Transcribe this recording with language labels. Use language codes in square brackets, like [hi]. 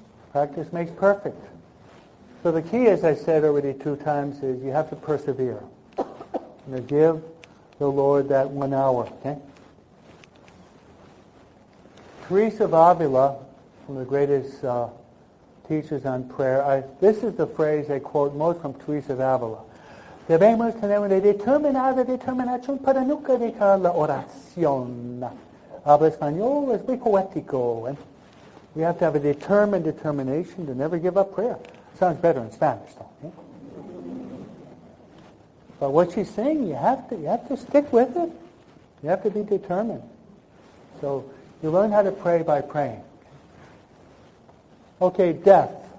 [en] Practice makes perfect. So the key, as I said already 2 times, is you have to persevere. You know, give the Lord that 1 hour. Okay? Teresa of Avila, one of the greatest teachers on prayer, this is the phrase I quote most from Teresa of Avila. [es] Debemos tener una determinación para nunca dejar la oración. Habla español, es muy poético. [en] We have to have a determined determination to never give up prayer. Sounds better in Spanish, though. Okay? But what she's saying, you have to stick with it. You have to be determined. So you learn how to pray by praying. Okay, death.